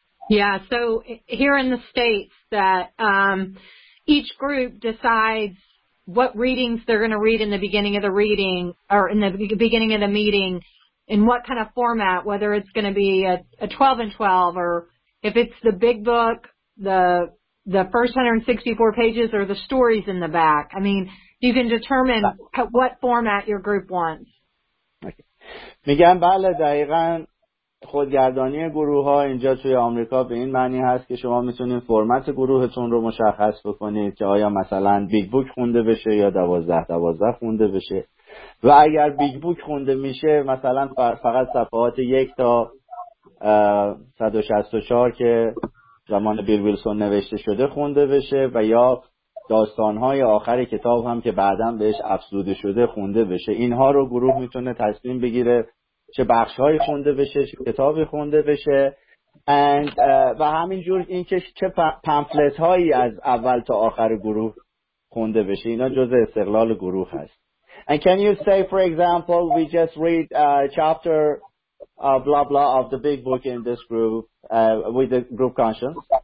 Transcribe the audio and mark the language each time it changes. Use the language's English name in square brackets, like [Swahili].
[English] Yeah, so here in the States, that each group decides what readings they're going to read in the beginning of the reading or in the beginning of the meeting, in what kind of format, whether it's going to be a 12 and 12 or if it's the big book, the first 164 pages or the stories in the back. I mean, you can determine what format your group wants. [Persian] میگم بله دقیقاً خودگردانی گروه ها اینجا توی آمریکا به این معنی هست که شما میتونید فرمت گروهتون رو مشخص بکنید که آیا مثلا بیگ بوک خونده بشه یا 12-12 خونده بشه، و اگر بیگ بوک خونده میشه مثلا فقط صفحات 1 تا 164 که زمان بیل ویلسون نوشته شده خونده بشه، و یا داستانهای آخر کتاب هم که بعدم بهش افزوده شده خونده بشه. اینها رو گروه میتونه تصمیم بگیره چه بخش‌های خونده بشه، چه کتابی خونده بشه، و همین جور اینکه چه پمفلت‌هایی از اول تا آخر گروه خونده بشه، اینا جزء استقلال گروه هست. [English] And can you say for example we just read chapter blah blah of the big book in this group with the group conscience?